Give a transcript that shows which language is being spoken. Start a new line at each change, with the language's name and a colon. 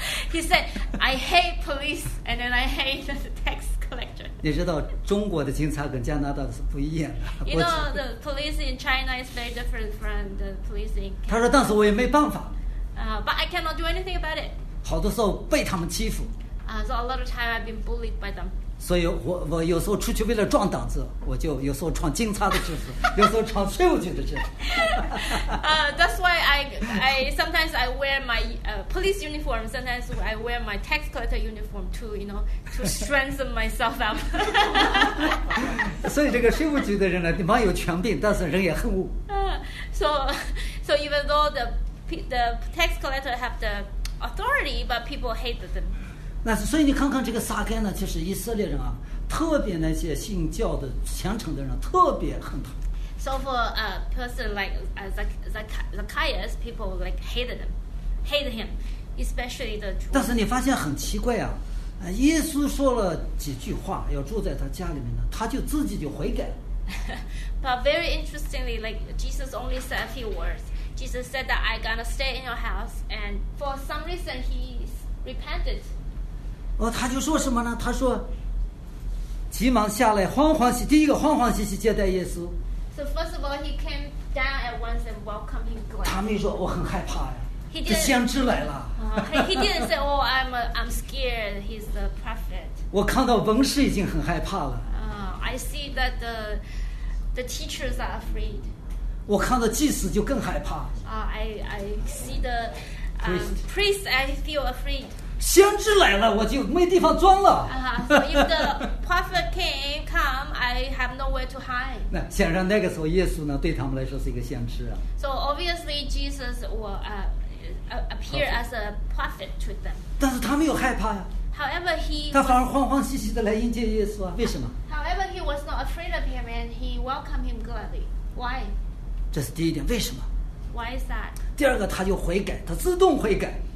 English: He said, I hate police and then I hate the tax collector.
Chinese: 你知道中国的警察跟加拿大的是不一样的。
English: You know, the police in China is very different from the police in Canada.
Chinese: 他说，但是我也没办法。
English: But I cannot do anything about it.
Chinese: 好多时候被他们欺负。
English: So a lot of time I've been bullied by them.
Chinese: 所以我有时候出去为了壮胆子，我就有时候穿警察的制服，有时候穿税务局的制服。
English: That's why I sometimes I wear my police uniform, sometimes I wear my tax collector uniform to to strengthen myself up.
Chinese: 所以这个税务局的人呢，蛮有权柄，但是人也很恶。
English: So even though the tax collector have the authority, but people hate them.
Chinese: 那所以你看看这个撒该呢，就是以色列人啊，特别那些信教的虔诚的人特别恨他。
English: So for a person like Zacchaeus, people like hated him, especially the.
Chinese: 但是你发现很奇怪啊，耶稣说了几句话要住在他家里面呢，他就自己就悔改。
English: But very interestingly, like Jesus only said a few words. Jesus said that I gonna stay in your house, and for some reason he repented.
Chinese: 他就说什么呢？他说，急忙下来，欢欢喜，第一个欢欢喜喜接待耶稣。
English: So first of all, he came down at once and welcomed him gladly.
Chinese: 他没说我很害怕呀。
English: He didn't.
Chinese: 先知来了。
English: He didn't say, "Oh, I'm scared." He's the prophet.
Chinese: 我看到文士已经很害怕了。
English: I see that the teachers are afraid.
Chinese: 我看到祭司就更害怕。
English: I see the priest. I feel afraid.
Chinese: 先知来了，我就没地方钻了。
English: So if the prophet came, I have nowhere to hide.
Chinese: 那显然那个时候，耶稣呢，对他们来说是一个先知啊。
English: So obviously Jesus will appear as a prophet to them.
Chinese: 但是他没有害怕呀。
English: However, he
Chinese: 他反而欢欢喜喜的来迎接耶稣啊？为什么
English: ？However, he was not afraid of him and he welcomed him gladly. Why?
Chinese: 这是第一点，为什么
English: ？Why is that?
Chinese: 第二个，他就悔改，他自动悔改。